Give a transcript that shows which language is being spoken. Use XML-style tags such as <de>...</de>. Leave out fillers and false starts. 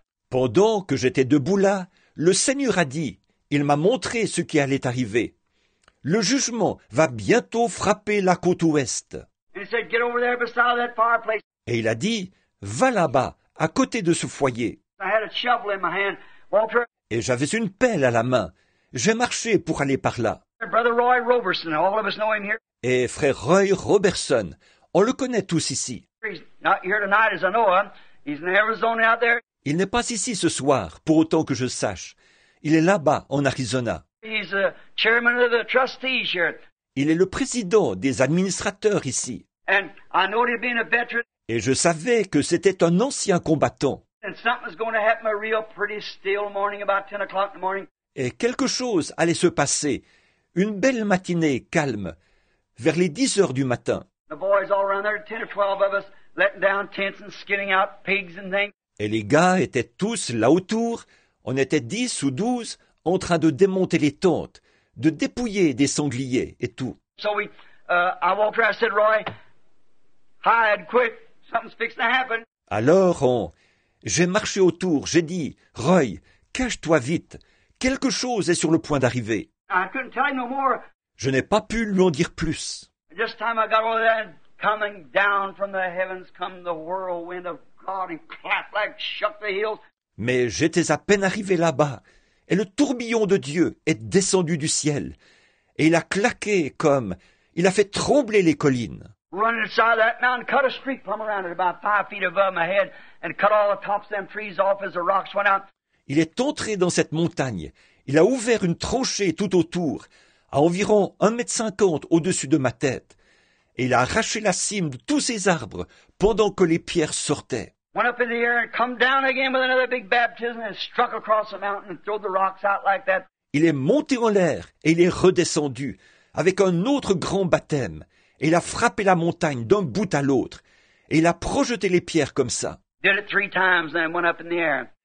<fr>Pendant que j'étais debout là, le Seigneur a dit, il m'a montré ce qui allait arriver. Le jugement va bientôt frapper la côte ouest.</fr> <en>And he said, get over there beside that fireplace.</en> <fr>Et il a dit, va là-bas, à côté de ce foyer.</fr> <en>I had a shovel in my hand. Walter,</en> <fr>et j'avais une pelle à la main. J'ai marché pour aller par là.</fr> <en>Brother Roy Roberson, all of us know him here.</en> <fr>Et frère Roy Roberson, on le connaît tous ici.</fr> <en>He's not here tonight, as I know him. He's in Arizona out there.</en> <fr>Il n'est pas ici ce soir, pour autant que je sache. Il est là-bas, en Arizona.</fr> <en>He's the chairman of the trustees here.</en> <fr>Il est le président des administrateurs ici.</fr> <en>And I know he'd been a veteran.</en> <fr>Et je savais que c'était un ancien combattant.</fr> <en>And something's going to happen a real pretty still morning about 10 o'clock in the morning.</en> <fr>Et quelque chose allait se passer, une belle matinée calme, vers les 10 heures du matin.</fr> <en>The boys all around there, 10 or 12 of us, letting down tents and skinning out pigs and things.</en> <fr>Et les gars étaient tous là autour, on était 10 ou 12 en train de démonter les tentes. De dépouiller des sangliers et tout.</fr> <en>So I walked around and said, Roy, hide, quick, something's fixing to happen.</en> <fr>Alors, j'ai marché autour, j'ai dit, Roy, cache-toi vite, quelque chose est sur le point d'arriver.</fr> <en>I couldn't tell him no more.</en> <fr>Je n'ai pas pu lui en dire plus.</fr> <en>Just time I got over there and coming down from the heavens come the whirlwind of God and clap like shook the hills.</en> <fr>Mais j'étais à peine arrivé là-bas, et le tourbillon de Dieu est descendu du ciel, et il a claqué comme il a fait trembler les collines.</fr> <en>Run inside that mountain, cut a streak from around it about 5 feet above my head, and cut all the tops of them trees off as the rocks went out.</en> <fr>Il est entré dans cette montagne. Il a ouvert une tranchée tout autour, à environ 1,50 m au-dessus de ma tête. Et il a arraché la cime de tous ces arbres pendant que les pierres sortaient.</fr> <en>Went up in the air and come down again with another big baptism and struck across the mountain and threw the rocks out like that.</en> <fr>Il est monté en l'air et il est redescendu avec un autre grand baptême. Et il a frappé la montagne d'un bout à l'autre. Et il a projeté les pierres comme ça.</fr> <en>Did it 3 times and went up in the air.</en>